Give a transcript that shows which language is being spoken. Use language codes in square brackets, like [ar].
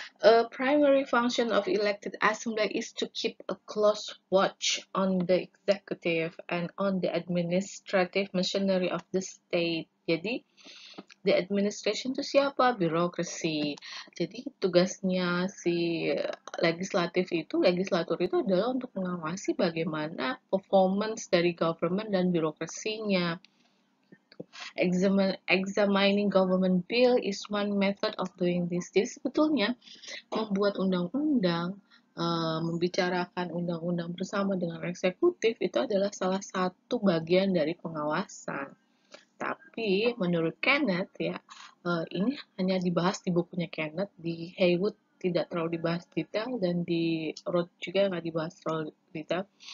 [en] A primary function of elected assembly is to keep a close watch on the executive and on the administrative machinery of the state. [id] Jadi, [en] the administration [id] itu siapa? Birokrasi. Jadi, tugasnya si legislatif itu, legislatur itu adalah untuk mengawasi bagaimana performance dari government dan birokrasinya. [en] Examining government bill is one method of doing this. [id] Jadi sebetulnya membuat undang-undang, membicarakan undang-undang bersama dengan eksekutif itu adalah salah satu bagian dari pengawasan. Tapi menurut Kenneth ya, ini hanya dibahas di bukunya Kenneth, di Haywood tidak terlalu dibahas detail dan di Roth juga nggak dibahas terlalu detail.